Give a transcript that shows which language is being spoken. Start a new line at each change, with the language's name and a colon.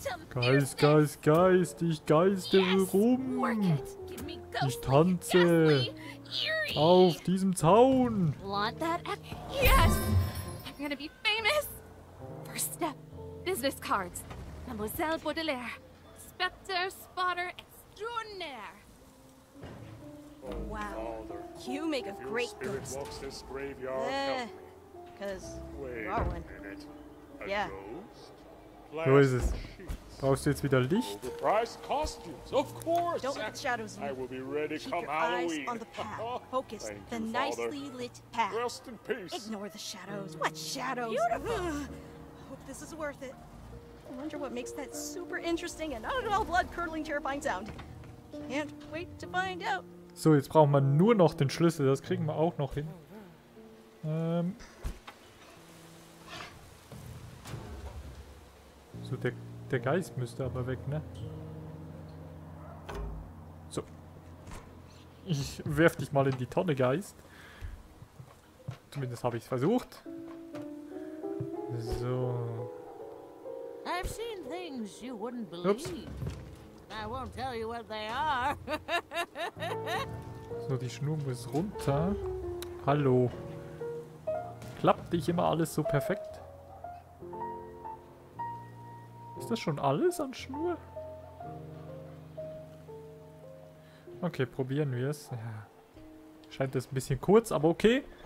German: Geist, Geist, Geist, ich geiste rum. Ich tanze auf diesem Zaun.
English: Yes, I'm gonna be famous. First step, business cards. Mademoiselle Baudelaire, Spectre Spotter Extraordinaire. Wow, you make a great ghost. Spirit walks this graveyard, help me. Cause you are one. Wait a minute, a ghost? Who is this?
German: Brauchst du jetzt wieder Licht?
English: Don't let the shadows leave. I will be ready Keep come your Halloween. Eyes on the path. Focus the nicely lit path. Rest in peace. Ignore the shadows. What shadows? Beautiful. Hope this is worth it. I wonder what makes that super interesting and not at all blood-curdling terrifying sound. Can't wait to find out.
German: So, jetzt brauchen wir nur noch den Schlüssel. Das kriegen wir auch noch hin. So, der Geist müsste aber weg, ne? So. Ich werf dich mal in die Tonne, Geist. Zumindest habe ich es versucht. So.
English: I've seen things you wouldn't believe.
German: Ups.
English: I won't tell you what they are.
German: So, die Schnur muss runter. Hallo. Klappt dich immer alles so perfekt? Ist das schon alles an Schnur? Okay, probieren wir es. Ja. Scheint das ein bisschen kurz, aber okay.